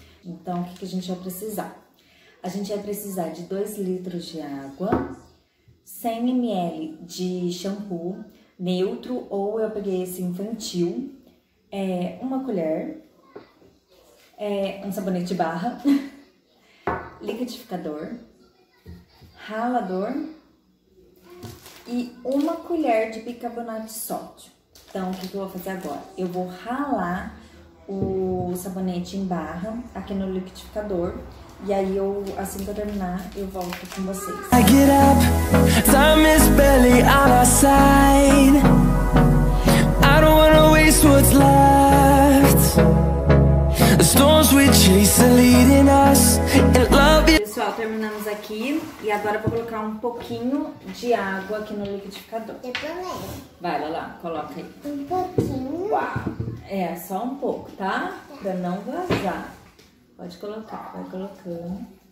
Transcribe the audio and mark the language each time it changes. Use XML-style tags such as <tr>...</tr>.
<pt>Então, o que a gente vai precisar? A gente vai precisar de 2 litros de água, 100 ml de shampoo neutro, ou eu peguei esse infantil, uma colher, um sabonete de barra, liquidificador, ralador e uma colher de bicarbonato de sódio. Então, o que eu vou fazer agora? Eu vou ralar o sabonete em barra aqui no liquidificador. E aí, assim que eu terminar, eu volto com vocês.</pt> <en>I get up, time is barely on our side. I don't wanna waste what's left. The storms we chase are leading us. And love is...</en> <pt>Pessoal, terminamos aqui. E agora eu vou colocar um pouquinho de água aqui no liquidificador. Vai, lá, coloca aí. Um pouquinho. Uau. Só um pouco, tá? Pra não vazar. Pode colocar, vai colocando.</pt>